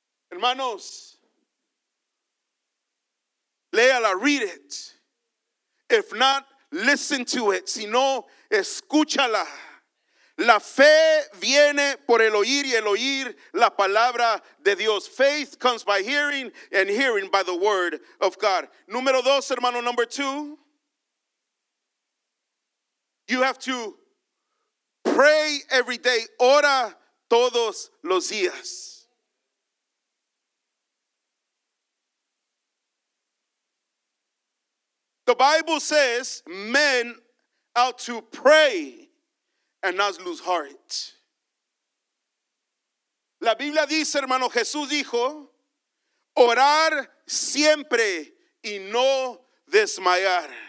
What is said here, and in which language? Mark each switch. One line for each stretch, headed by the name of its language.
Spanish: Hermanos, léala,
English: read it. If not, listen to it.
Spanish: Si no, escúchala. La fe viene por el oír y el oír la palabra de Dios.
English: Faith comes by hearing and hearing by the word of God.
Spanish: Número dos, hermano,
English: number two. You have to pray every day.
Spanish: Ora todos los días.
English: The Bible says men ought to pray and not lose heart.
Spanish: La Biblia dice, hermano, Jesús dijo, orar siempre y no desmayar.